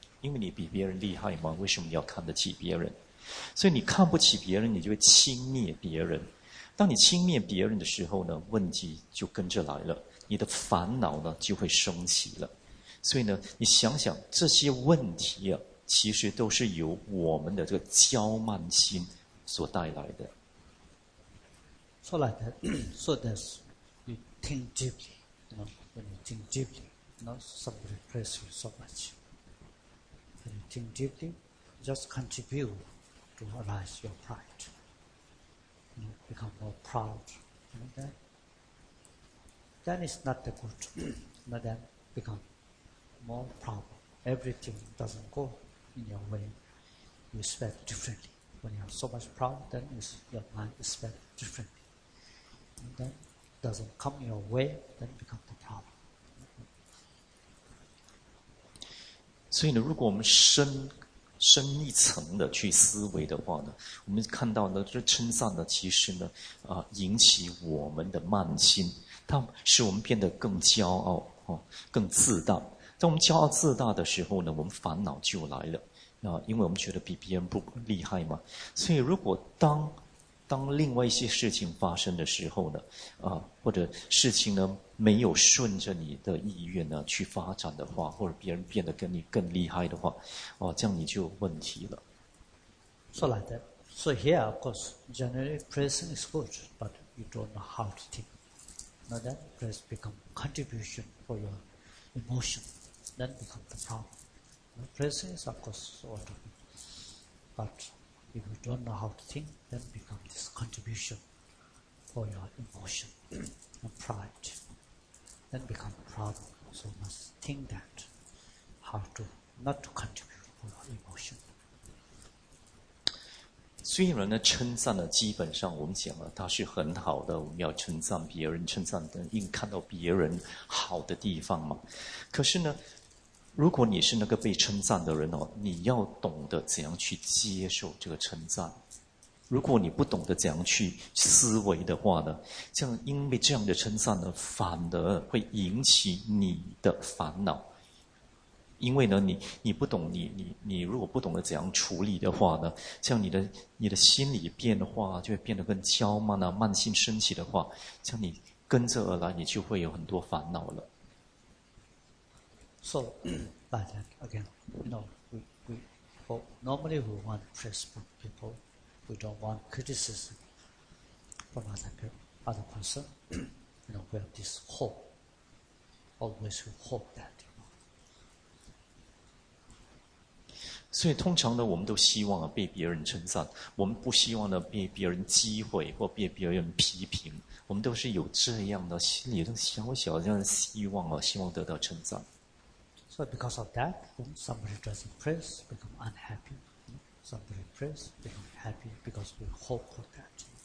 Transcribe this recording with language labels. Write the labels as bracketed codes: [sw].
[zh] 因为你比别人厉害吗？为什么你要看得起别人？所以你看不起别人，你就会轻蔑别人。当你轻蔑别人的时候呢，问题就跟着来了。你的烦恼呢就会升起了，所以呢，你想想这些问题啊，其实都是由我们的这个骄慢心所带来的。 [en] So like that, so that you think deeply, you know, when you think deeply, not somebody praise you so much. When you think deeply, just contribute to arise your pride. You become more proud, you know that. Then it's not the good, but then become more problem. Everything doesn't go in your way. You expect differently. When you have so much problem, then your mind expect differently. And then doesn't come your way, then become the problem. [zh] 所以呢，如果我们深一层的去思维的话呢，我们看到呢，这称赞呢，其实呢，引起我们的慢心。它使我们变得更骄傲更自大。当我们骄傲自大的时候呢，我们烦恼就来了因为我们觉得比别人不厉害嘛。所以如果当另外一些事情发生的时候呢或者事情呢没有顺着你的意愿呢去发展的话，或者别人变得跟你更厉害的话这样你就有问题了。 [en] So like that. So here, of course, generally praising is good, but you don't know how to think. Now then, press become contribution for your emotion. Then become the problem. Press is, of course, what of it. But if you don't know how to think, then become this contribution for your emotion and pride. Then become the problem. So you must think that how to not to contribute for your emotion. [zh] 虽然呢称赞呢基本上我们讲了它是很好的，我们要称赞别人，称赞的应看到别人好的地方嘛。可是呢如果你是那个被称赞的人哦，你要懂得怎样去接受这个称赞。如果你不懂得怎样去思维的话呢，像因为这样的称赞呢反而会引起你的烦恼。因为呢你不懂你如果不懂得怎样处理的话呢，像你的心理变化就会变得更娇慢啊，慢性生气的话，像你跟着而来你就会有很多烦恼了。 [en] So, but again, no, we for, normally we want praise from people, we don't want criticism from other person, you know, we have this hope, always we hope that. [zh] 所以通常呢我们都希望被别人称赞，我们不希望呢被别人诋毁或被别人批评，我们都是有这样的心里的小小的这样的希望啊，希望得到称赞。 [en] So because of that, when somebody doesn't praise, become unhappy. Somebody praise, become happy because we hope for that.